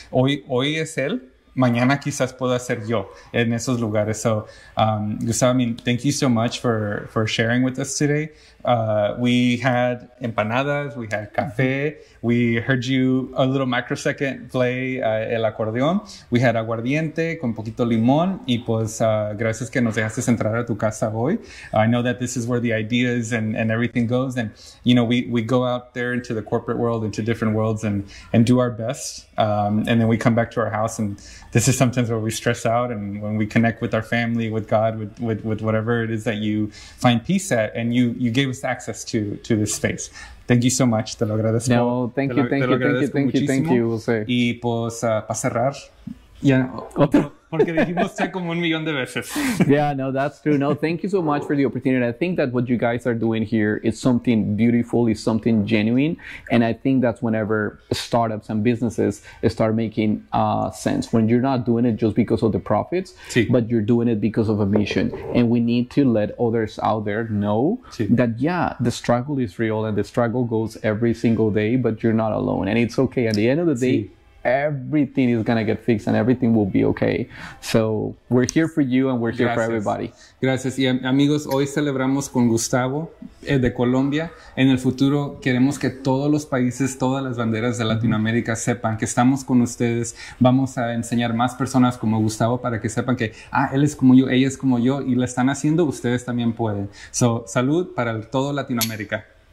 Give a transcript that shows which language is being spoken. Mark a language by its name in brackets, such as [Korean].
[Spanish] Hoy es él, mañana quizás pueda ser yo en esos lugares. [English] So, Gustavo, I mean, thank you so much for sharing with us today. We had empanadas, we had café, we heard you a little microsecond play el acordeón, we had aguardiente [Spanish] con poquito limón, y pues gracias que nos dejaste entrar a tu casa hoy. [English] I know that this is where the ideas and everything goes, and you know, we go out there into the corporate world, into different worlds, and do our best, and then we come back to our house, and this is sometimes where we stress out, and when we connect with our family, with God, with whatever it is that you find peace at, and you gave us access to this space. Thank you so much. [Spanish] Te lo agradezco. [English] No, thank you, thank you, thank you, thank you, thank you. [Spanish] Y pues, para cerrar, ya. Porque dijimos tech como un millón de veces. [English] Yeah, no, that's true. No, thank you so much for the opportunity. I think that what you guys are doing here is something beautiful, is something genuine. And I think that's whenever startups and businesses start making sense. When you're not doing it just because of the profits, [Spanish] sí. [English] But you're doing it because of a mission. And we need to let others out there know [Spanish] sí. [English] That, yeah, the struggle is real and the struggle goes every single day, but you're not alone. And it's okay. At the end of the day, sí. Everything is going to get fixed and everything will be okay. So we're here for you and we're here gracias. For everybody. [Spanish] Gracias. Y amigos, hoy celebramos con Gustavo de Colombia. En el futuro queremos que todos los países, todas las banderas de Latinoamérica sepan que estamos con ustedes. Vamos a enseñar más personas como Gustavo para que sepan que él es como yo, ella es como yo y la están haciendo, ustedes también pueden. So, salud para todo Latinoamérica.